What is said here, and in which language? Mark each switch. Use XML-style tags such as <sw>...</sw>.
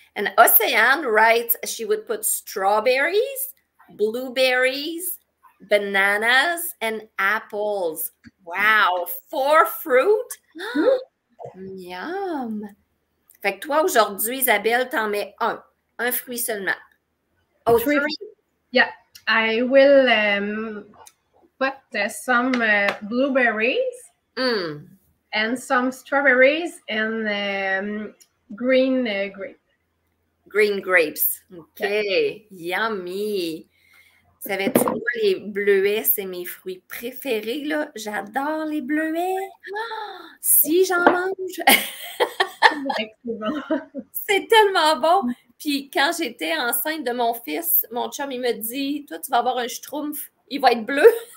<en>And Océane writes, she would put strawberries, blueberries, bananas, and apples. Wow, four fruit? Yum!</en> <fr>Fait que toi, aujourd'hui, Isabelle, t'en mets un fruit seulement. Oh,</fr> <en>Three. three. Yeah, I will put some blueberries and some strawberries and green grape. Green grapes. OK. Yummy.</en> <fr>Savais-tu quoi, les bleuets, c'est mes fruits préférés, là? J'adore les bleuets. Oh, si j'en mange! C'est tellement bon! Puis quand j'étais enceinte de mon fils, mon chum, il me dit, toi, tu vas avoir un schtroumpf, il va être bleu.</fr>